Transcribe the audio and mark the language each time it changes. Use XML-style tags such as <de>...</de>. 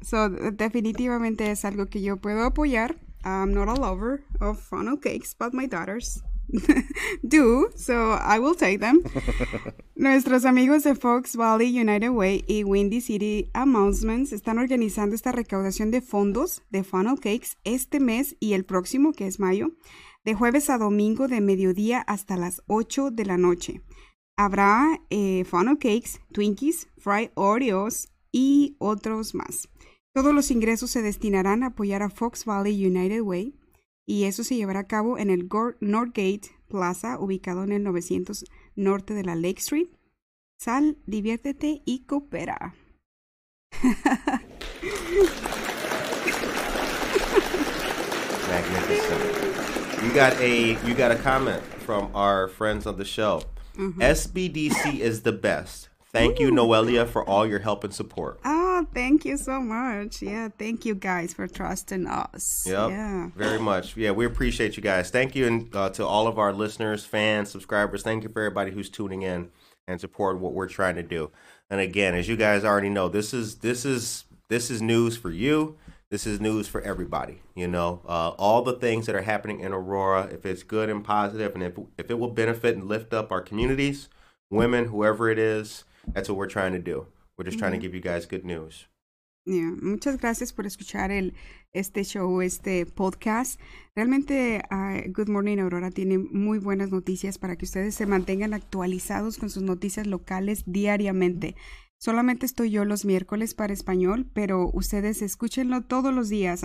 <es>So, definitivamente es algo que yo puedo apoyar.</es> <en>I'm not a lover of funnel cakes, but my daughters do. So, I will take them.</en> <es>Nuestros amigos de Fox Valley United Way y Windy City Amusements están organizando esta recaudación de fondos de funnel cakes este mes y el próximo, que es mayo. De jueves a domingo, de mediodía hasta las 8 de la noche. Habrá funnel cakes, Twinkies, fried Oreos y otros más. Todos los ingresos se destinarán a apoyar a Fox Valley United Way y eso se llevará a cabo en el Northgate Plaza, ubicado en el 900 norte de la Lake Street. Sal, diviértete y coopera.</es> <en>You got a comment from our friends on the show. Mm-hmm. SBDC is the best. Thank you, Noelia, for all your help and support. Oh, thank you so much. Yeah, thank you guys for trusting us. Yep, yeah, very much. Yeah, we appreciate you guys. Thank you to all of our listeners, fans, subscribers. Thank you for everybody who's tuning in and supporting what we're trying to do. And again, as you guys already know, this is news for you. This is news for everybody, you know, all the things that are happening in Aurora, if it's good and positive and if it will benefit and lift up our communities, women, whoever it is, that's what we're trying to do. We're just trying to give you guys good news. Yeah.</en> <es>Muchas gracias por escuchar este show, este podcast. Realmente, Good Morning Aurora tiene muy buenas noticias para que ustedes se mantengan actualizados con sus noticias locales diariamente. Solamente estoy yo los miércoles para español, pero ustedes escúchenlo todos los días.</es>